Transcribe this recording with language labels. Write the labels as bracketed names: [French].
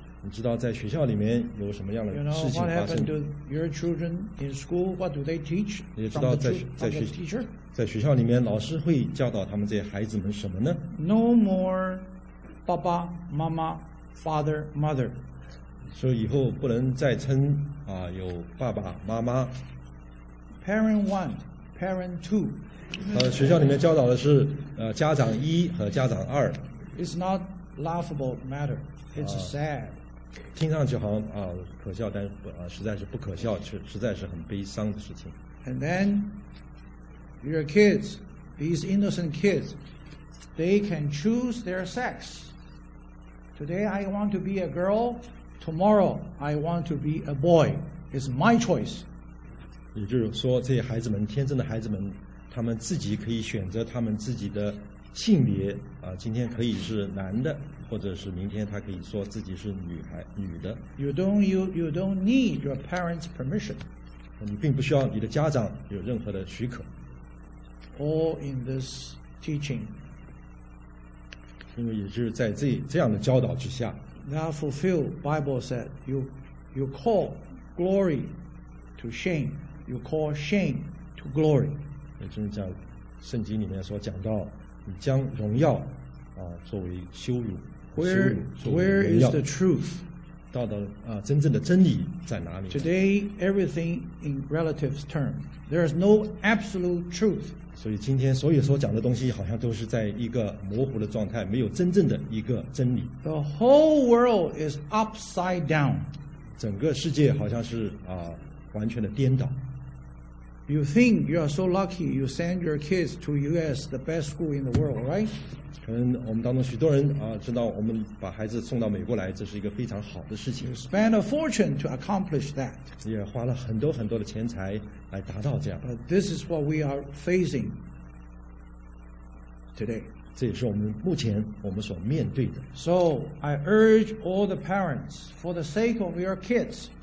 [Chinese] 你知道在学校里面有什么样的事情发生 [English] ？You know what happened to your children in school? What do they teach? [Chinese] 你知道在 [English] teacher? [Chinese] 在学校里面老师会教导他们这些孩子们什么呢 [English] ？No more, [Chinese] 爸爸妈妈 [English] ，father mother. [Chinese] 所以以后不能再称有爸爸妈妈。 [English] Parent one, parent two. [Chinese] 学校里面教导的是家长一和家长二。 [English] It's not laughable matter. It's sad. [Chinese] 听上去好像可笑，但实在是不可笑，实在是很悲伤的事情。 [English] And then your kids, these innocent kids, they can choose their sex. Today I want to be a girl. Tomorrow I want to be a boy. It's my choice. [Chinese] 也就是说，这些孩子们，天真的孩子们，他们自己可以选择他们自己的性别今天可以是男的，或者是明天他可以说自己是女的。 [English] You don't need your parents' permission. [Chinese] 你并不需要你的家长有任何的许可。 [English] All in this teaching. [Chinese] 因为也就是在这样的教导之下。 [English] Now fulfill, Bible said, you call glory to shame, you call shame to glory. [Chinese] 也就是讲，圣经里面所讲到，你将荣耀作为羞辱， [English] Where is the truth? [Chinese] 到的真正的真理在哪里 [English] ？Today, everything in relative term, there is no absolute truth. [Chinese] 所以今天所有所讲的东西，好像都是在一个模糊的状态，没有真正的一个真理。 [English] The whole world is upside down. [Chinese] 整个世界好像是完全的颠倒。 [English] You think you are so lucky you send your kids to U.S. the best school in the world, right? [Chinese] 可能我们当中许多人知道我们把孩子送到美国来，这是一个非常好的事情。 [English] You spend a fortune to accomplish that. [Chinese] 也花了很多很多的钱财来达到这样。 [English] But this is what we are facing today. [Chinese] 这也是我们目前我们所面对的。 [English] So I urge all the parents, for the sake of your kids.